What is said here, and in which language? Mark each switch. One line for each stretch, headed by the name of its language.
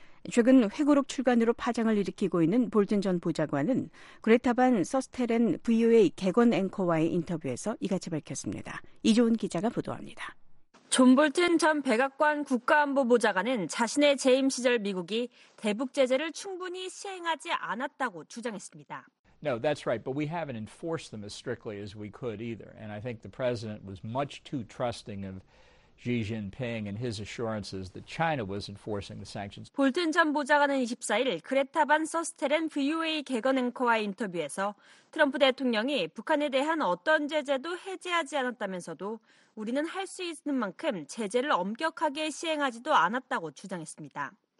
Korean: 최근 회고록 출간으로 파장을 일으키고 있는 볼튼 전 보좌관은 그레타 반 서스텔렌 VOA 객원 앵커와의 인터뷰에서 이같이 밝혔습니다. 이조은 기자가 보도합니다. 존 볼튼 전 백악관 국가안보 보좌관은 자신의 재임 시절 미국이 대북 제재를 충분히 시행하지 않았다고 주장했습니다.
English: No, that's right, but we haven't enforced them as strictly as we could either. And I think the president was much too trusting of Xi Jinping and his assurances that China was enforcing the sanctions.
Korean: 볼튼 전 보좌관은 24일 그레타 반 서스텔렌 VOA 객원 앵커와 인터뷰에서 트럼프 대통령이 북한에 대한 어떤 제재도 해제하지 않았다면서도 우리는 할 수 있는 만큼 제재를 엄격하게 시행하지도 않았다고 주장했습니다.